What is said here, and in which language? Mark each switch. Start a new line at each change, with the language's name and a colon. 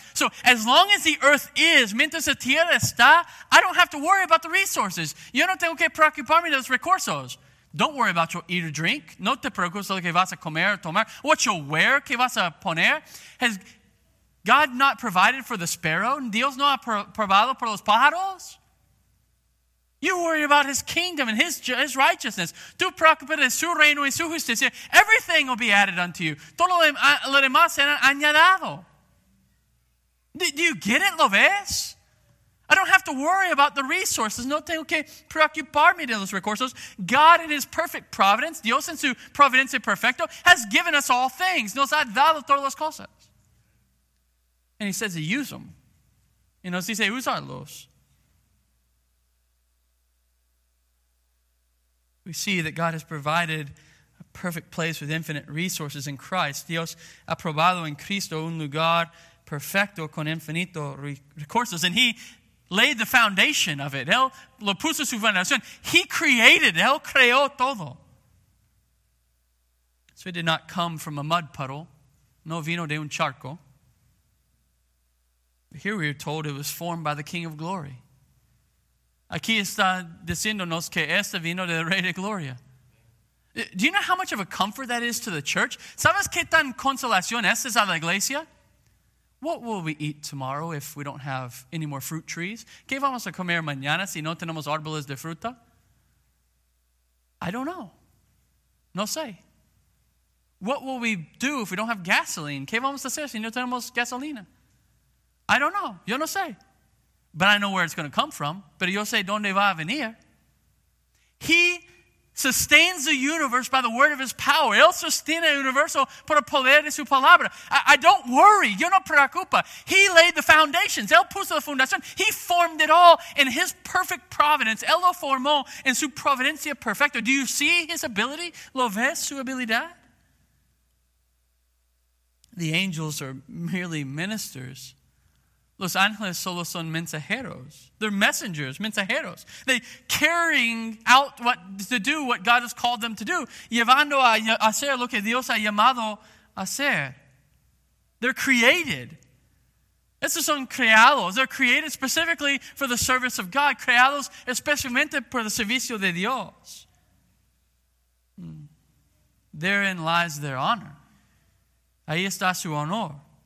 English: So as long as the earth is,
Spanish: mientras la tierra está,
English: I don't have to worry about the resources.
Spanish: Yo no tengo que preocuparme de los recursos.
English: Don't worry about your eat or drink.
Spanish: No te preocupes lo que vas a comer o tomar.
English: What you'll wear,
Spanish: que vas a poner.
English: Has God not provided for the sparrow?
Spanish: Dios no ha probado por los pájaros?
English: You worry about his kingdom and his righteousness.
Spanish: Tú preocupes de su reino y su justicia.
English: Everything will be added unto you.
Spanish: Todo lo demás será añadido.
English: Do you get it,
Spanish: lo ves?
English: I don't have to to worry about the resources.
Spanish: No tengo que preocuparme de los recursos.
English: God in his perfect providence,
Spanish: Dios en su providencia perfecto,
English: has given us all things.
Spanish: Nos ha dado todas las cosas.
English: And he says to use them.
Spanish: Y nos dice usarlos.
English: We see that God has provided a perfect place with infinite resources in Christ.
Spanish: Dios ha probado en Cristo un lugar perfecto con infinito recursos.
English: And he laid the foundation of it.
Spanish: Él lo puso su fundación.
English: He created,
Spanish: él creó todo.
English: So it did not come from a mud puddle.
Spanish: No vino de un charco.
English: But here we are told it was formed by the King of Glory.
Spanish: Aquí está diciéndonos que este vino del Rey de Gloria.
English: Do you know how much of a comfort that is to the church?
Spanish: ¿Sabes qué tan consolación es a la iglesia?
English: What will we eat tomorrow if we don't have any more fruit trees?
Spanish: ¿Qué vamos a comer mañana si no tenemos árboles de fruta?
English: I don't know.
Spanish: No sé.
English: What will we do if we don't have gasoline?
Spanish: ¿Qué vamos a hacer si no tenemos gasolina?
English: I don't know.
Spanish: Yo no sé.
English: But I know where it's going to come from.
Spanish: Pero yo sé dónde va a venir.
English: He sustains the universe by the word of his power.
Spanish: Él sostiene el universo por el poder de su palabra.
English: I don't worry.
Spanish: Yo no preocupa.
English: He laid the foundations.
Spanish: Él puso la fundación.
English: He formed it all in his perfect providence.
Spanish: Él lo formó en su providencia perfecta.
English: Do you see his ability?
Spanish: ¿Lo ves su habilidad?
English: The angels are merely ministers.
Spanish: Los ángeles solo son mensajeros.
English: They're messengers,
Spanish: mensajeros.
English: They carrying out what to do, what God has called them to do. Llevando a hacer lo que Dios ha llamado a hacer. They're created.
Spanish: Estos son creados.
English: They're created specifically for the service of God.
Spanish: Creados especialmente por el servicio de Dios.
English: Therein lies their honor.
Spanish: Ahí está su honor.